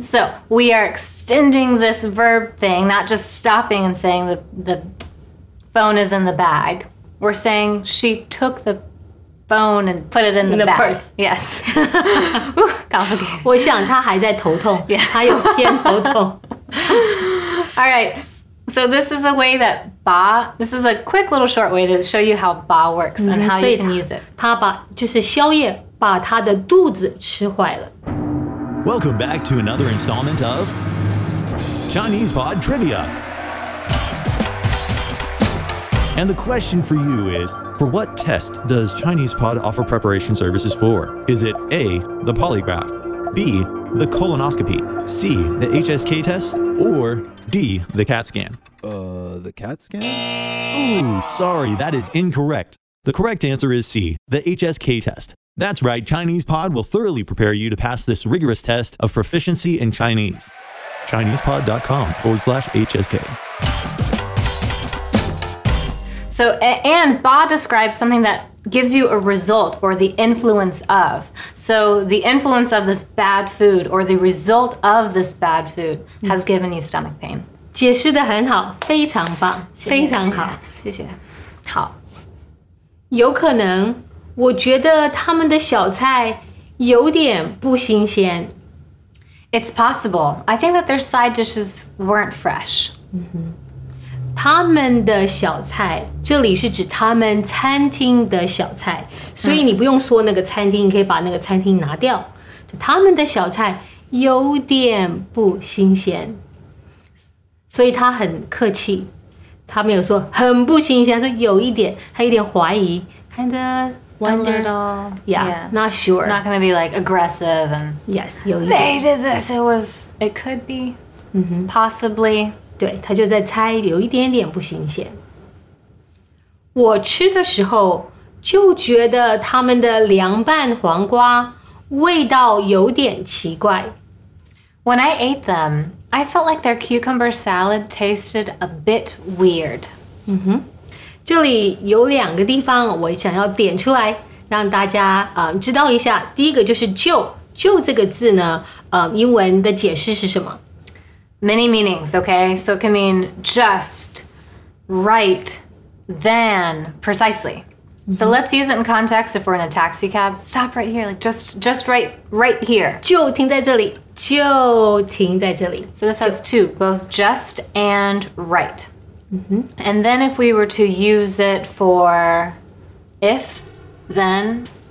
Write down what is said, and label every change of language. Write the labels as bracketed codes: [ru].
[en] So we are extending this verb thing, not just stopping and saying the phone is in the bag. We're saying she took the phone and put it in the bag. The purse. Yes. [zh] 搞不定。我想她还在头痛，她有偏头痛。 [en] All right. So this is a way that 把 this is a quick little short way to show you how 把 works and how you can use it. [zh] 他把就是宵夜把他的肚子吃坏了。 [en] Welcome back to another installment of Chinese Pod Trivia. And the question for you is, for what test does Chinese Pod offer preparation services for? Is it A, the polygraph, B, the colonoscopy, C, the HSK test, or D, the CAT scan? The CAT scan? Ooh, sorry, that is incorrect. The correct answer is C, the HSK test. That's right, ChinesePod will thoroughly prepare you to pass this rigorous test of proficiency in Chinese. ChinesePod.com/HSK. So, and ba describes something that gives you a result or the influence of. So, the influence of this bad food or the result of this bad food has given you stomach pain. [zh] 解释得很好，非常棒，非常好，谢谢。好，有可能。我觉得他们的小菜有点不新鲜。 [en] It's possible. I think that their side dishes weren't fresh. [zh] 他们的小菜，这里是指他们餐厅的小菜，所以你不用说那个餐厅，你可以把那个餐厅拿掉。他们的小菜有点不新鲜，所以他很客气，他没有说很不新鲜，他有一点，他有点怀疑，看着。 [en] Wondered, yeah, not sure. Not going to be like aggressive and yes, they did this. It could be possibly. [zh] 对，他就在猜，有一点点不新鲜。我吃的时候就觉得他们的凉拌黄瓜味道有点奇怪。 [en] When I ate them, I felt like their cucumber salad tasted a bit weird. [zh] 嗯哼，这里有两个地方我想要点出来，让大家知道一下。第一个就是就，就这个字呢，英文的解释是什么？ [en] Many meanings, okay? So it can mean just, right, then, precisely. Mm-hmm. So let's use it in context if we're in a taxi cab. Stop right here, like just right here. [zh] 就停在这里，就停在这里。 [en] So this has two, both just and right. Mm-hmm. And then if we were to use it for if, then?